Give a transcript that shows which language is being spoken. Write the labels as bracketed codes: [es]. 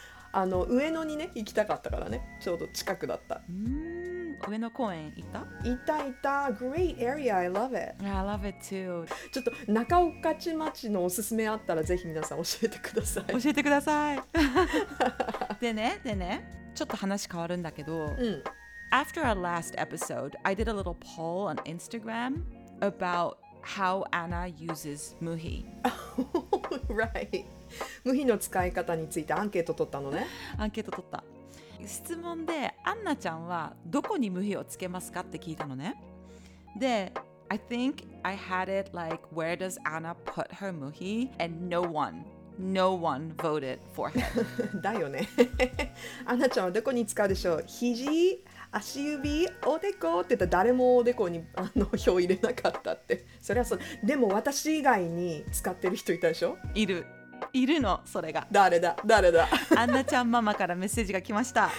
[ja] あの上野にね行きたかったからねちょうど近くだった。上野公園行った？行った行った。 [en] Great area, I love it. I love it too. [ja] ちょっと中御徒町のおすすめあったらぜひ皆さん教えてください。教えてください。でね、ちょっと話変わるんだけど、うん、 [en] After our last episode, I did a little poll on Instagram about how Anna uses Muhi. [ja] Right. Muhi の使い方についてアンケート取ったのね。アンケート取った。質問でアンナちゃんはどこにムヒをつけますかって聞いたのね。 [en] で、I think I had it like where does Anna put her muhi and no one voted for her. [ja] だよね。アンナちゃんはどこに使うでしょう。肘、足指、おでこって言ったら誰もおでこにあの票入れなかったって。それはそう。でも私以外に使ってる人いたでしょ。いる。いるのそれが誰だ誰だアンナちゃんママからメッセージが来ました